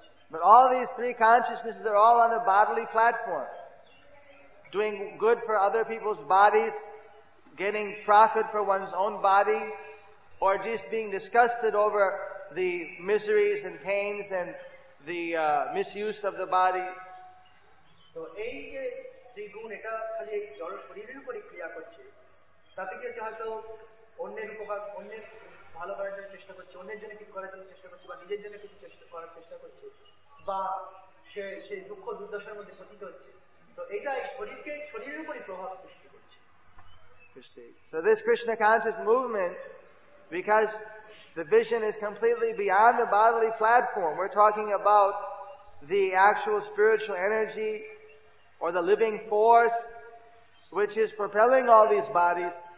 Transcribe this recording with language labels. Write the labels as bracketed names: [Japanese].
[English] But all these three consciousnesses are all on the bodily platform, doing good for other people's bodies, getting profit for one's own body, or just being disgusted over the miseries and pains and the misuse of the body. [Bangla] So, এই যে দ্বিগুণ এটা খালি জড় শরীরের উপরই ক্রিয়া করছে, তাতে কি হচ্ছে হয়তো অন্যের উপকার, অন্যের ভালো করার জন্য চেষ্টা করছে, অন্যের জন্য কিছু করার জন্য চেষ্টা করছে, বা নিজের জন্য কিছু চেষ্টা করার চেষ্টা করছে, বা সেই দুঃখ দুর্দশার মধ্যে পতিত হচ্ছে, তো এটা শরীরকে শরীরের উপরই প্রভাব সৃষ্টি করছে। [English] So this Krishna conscious movement, because The vision is completely beyond the bodily platform. We're talking about the actual spiritual energy or the living force which is propelling all these bodies.